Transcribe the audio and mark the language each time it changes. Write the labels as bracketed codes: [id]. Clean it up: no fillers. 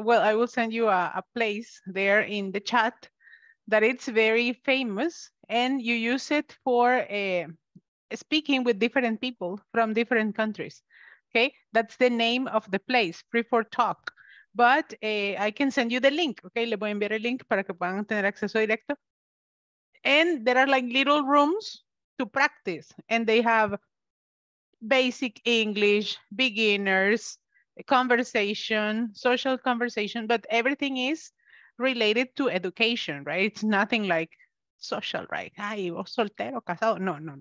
[en] Well, I will send you a place there in the chat that it's very famous, and you use it for speaking with different people from different countries. Okay, that's the name of the place, Free for Talk. But I can send you the link. [es] Okay, le voy a enviar el link para que puedan tener acceso directo. [en] And there are like little rooms to practice, and they have basic English, beginners, conversation, social conversation, but everything is related to education, right? It's nothing like social, right? [es] Ay, vos soltero, casado. No.